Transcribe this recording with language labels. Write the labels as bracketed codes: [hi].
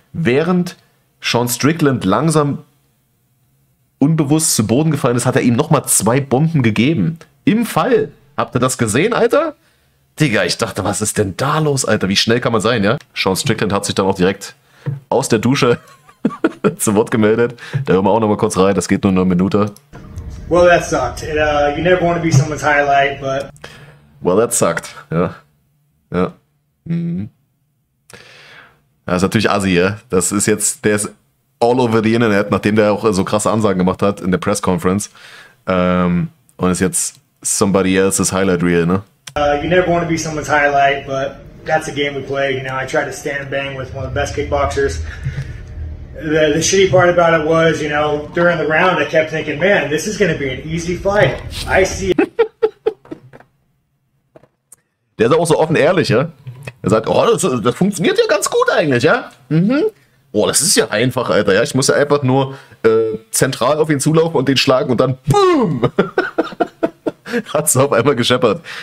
[de] Während Sean Strickland langsam unbewusst zu Boden gefallen ist, hat er ihm nochmal zwei Bomben gegeben. Im Fall. Habt ihr das gesehen, Alter? Digga, ich dachte, was ist denn da los, Alter? Wie schnell kann man sein, ja? Sean Strickland hat sich dann auch direkt aus der Dusche zu Wort gemeldet. Da hören wir auch nochmal kurz rein. Das geht nur eine Minute. [en] Well, that sucked. It, you never want to be someone's highlight, but... Well, that sucked. Ja. Ja. Mhm. [de] Das ist natürlich assi, ja? Das ist jetzt... Der ist [en] all over the Internet, [de] nachdem der auch so krasse Ansagen gemacht hat in der Press-Conference. Und ist jetzt... [en] Somebody else's highlight reel, [de] ne? [en] You never want to be someone's highlight, but that's a game we play. You know, I tried to stand bang with one of the best kickboxers. The shitty part about it was, you know, during the round, I kept thinking, man, this is going to be an easy fight. I see. [de] Der ist auch so offen ehrlich, ja? Er sagt, oh, das funktioniert ja ganz gut eigentlich, ja? Mhm. Oh, das ist ja einfach, Alter, ja? Ich muss ja einfach nur zentral auf ihn zulaufen und den schlagen und dann BOOM! Hat es auf einmal gescheppert.